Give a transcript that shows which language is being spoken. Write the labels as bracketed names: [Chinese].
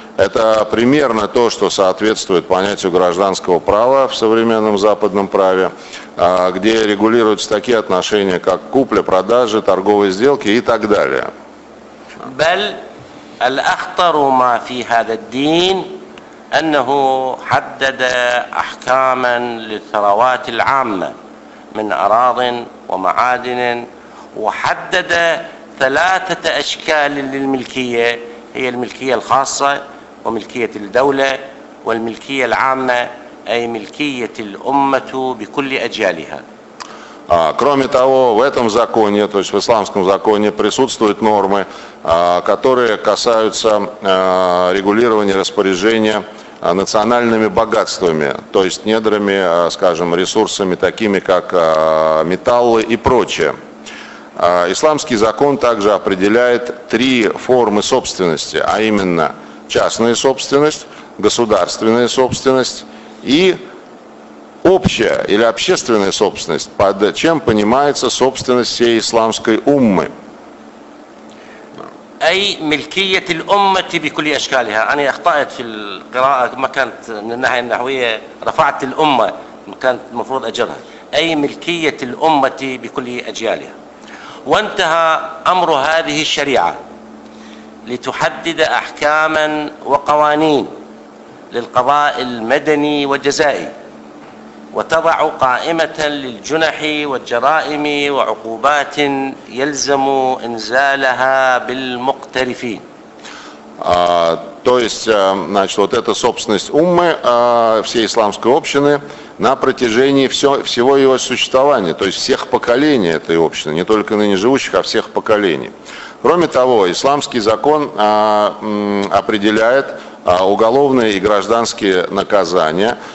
[Russian] Это примерно то, что соответствует понятию гражданского права в современном западном праве, где регулируются такие отношения, как купля-продажа, торговые сделки и так далее. [Arabic] Бел, الأخطر ما في هذا الدين أنه حدد أحكاما للثروات العامة من أراض ومعادن وحدد ثلاثة أشكال للملكية هي الملكية الخاصة وملكية الدولة والملكية العامة أي ملكية الأمة بكل أجيالها. [Russian] Кроме того, в этом законе, то есть в исламском законе, присутствуют нормы, которые касаются регулирования распоряжения национальными богатствами, то есть недрами, скажем, ресурсами, такими как металлы и прочее. Исламский закон также определяет три формы собственности, а именно частная собственность, государственная собственность и общая или общественная собственность, под чем понимается собственность всей исламской уммы. [Arabic] أي ملكية الأمة بكل أشكالها. أنا أخطأت في القراءة, ما كانت من الناحية النحوية, رفعت الأمة, كانت المفروض أجرها. أي ملكية الأمة بكل أجيالها. وانتهى أمر هذه الشريعة لتحدد أحكاما وقوانين للقضاء المدني والجزائي، وتضع قائمة للجنح والجرائم وعقوبات يلزم إنزالها بالمقترفين. [Russian] То есть, значит, вот эта собственность уммы всей исламской общины на протяжении всего его существования, то есть всех поколений этой общины, не только ныне живущих, а всех поколений. Кроме того, исламский закон определяет уголовные и гражданские наказания.